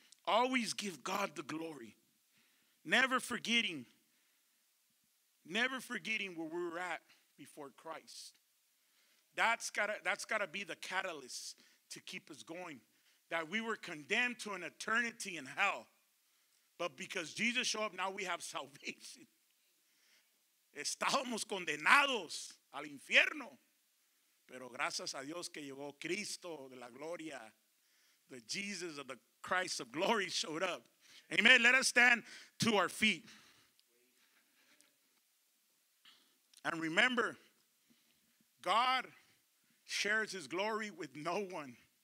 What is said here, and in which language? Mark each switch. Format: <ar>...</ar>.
<en>Always give God the glory. Never forgetting where we were at before Christ. That's gotta be the catalyst to keep us going. That we were condemned to an eternity in hell. But because Jesus showed up, now we have salvation.</en> <es>Estábamos condenados al infierno. Pero gracias a Dios que llegó Cristo de la gloria.</es> <en>The Jesus of the Christ of glory showed up. Amen. Let us stand to our feet. And remember, God shares his glory with no one.</en>